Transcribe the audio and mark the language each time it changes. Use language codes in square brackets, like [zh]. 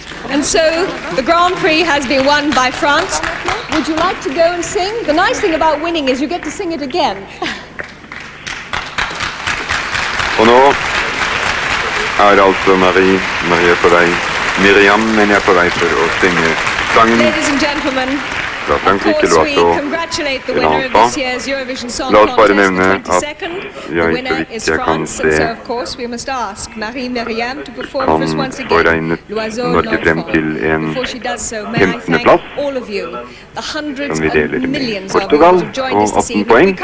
[en] And so the Grand Prix has been won by France. Would you like to go and sing? The nice thing about winning is you get to sing it again. [no] Og nå altså Marie, Marie på vei, Miriam, men på vei for å synge sangen. [en] Ladies and gentlemen, of course, we congratulate the winner of this year's Eurovision Song Contest, the 22nd. The winner is France, and so of course we must ask Marie-Miriam to perform for us once again, L'Oiseau de l'Enfant. Before she does so, may I thank all of you, the hundreds of millions of you who have joined us this evening.